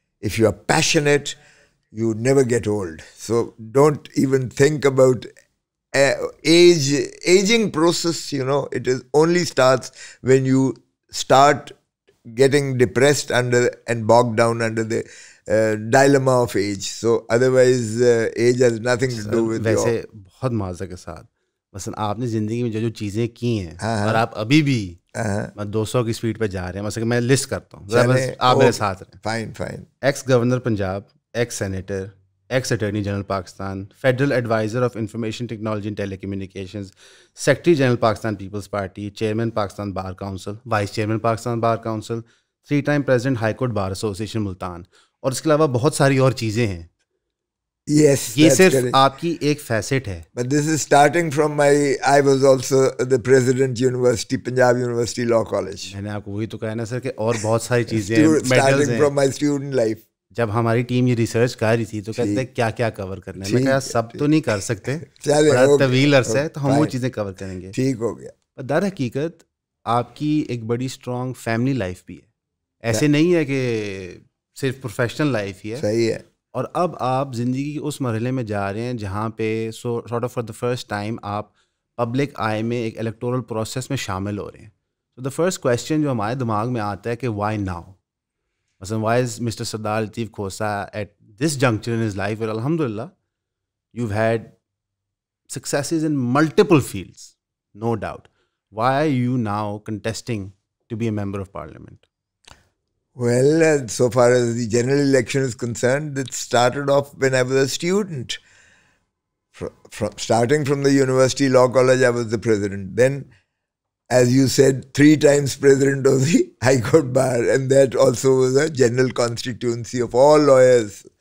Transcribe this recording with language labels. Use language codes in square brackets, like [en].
[en] If you are passionate, you never get old. So, don't even think about aging process, you know. It is only starts when you start getting depressed under and bogged down under the dilemma of age. So otherwise age has nothing to do with [ur] ویسے بہت معذرت کے ساتھ, مثلاً آپ نے زندگی میں جو جو چیزیں کی ہیں اور آپ ابھی بھی 200 کی اسپیڈ پہ جا رہے ہیں, مثلاً میں لسٹ کرتا ہوں, آپ میرے ساتھ رہے. [en] Fine fine. Ex governor Punjab, ex senator, ex attorney general Pakistan, federal adviser of information technology and telecommunications, secretary general Pakistan peoples party, chairman Pakistan bar council, vice chairman Pakistan bar council, 3 time president high court bar association Multan, [ur] اور اس کے علاوہ بہت ساری اور چیزیں ہیں. [en] Yes, [ur] یہ صرف آپ کی ایک فیسٹ ہے. [en] But this is starting from my, I was also the president university, Punjab University Law College. [ur] میں نے آپ کو وہی تو کہا نا سر کہ اور بہت ساری چیزیں ہیں. [en] Starting from my student life. [ur] جب ہماری ٹیم یہ ریسرچ کر رہی تھی تو کہتے کیا کیا کور کرنا ہے, میں کہا سب تو نہیں کر سکتے, طویل عرصہ ہے تو ہم وہ چیزیں کور کریں گے. ٹھیک ہو گیا. در حقیقت آپ کی ایک بڑی اسٹرانگ فیملی لائف بھی ہے, ایسے نہیں ہے کہ صرف پروفیشنل لائف ہی ہے. صحیح ہے. اور اب آپ زندگی کے اس مرحلے میں جا رہے ہیں جہاں پہ [en] sort of for the first time [ur] آپ پبلک آئے میں ایک الیکٹورل پروسیس میں شامل ہو رہے ہیں. [en] تو the first question [ur] جو ہمارے دماغ میں آتا ہے کہ [en] Why now, مثلاً why is mister Sardar Latif Khosa at this juncture in his life, اور الحمد للہ you had successes in multiple fields no doubt, why are you now contesting to be a member of parliament? Well, so far as the general election is concerned, it started off when I was a student. Starting from the university law college, I was the president. Then, as you said, 3 times president of the High Court Bar, and that also was a general constituency of all lawyers.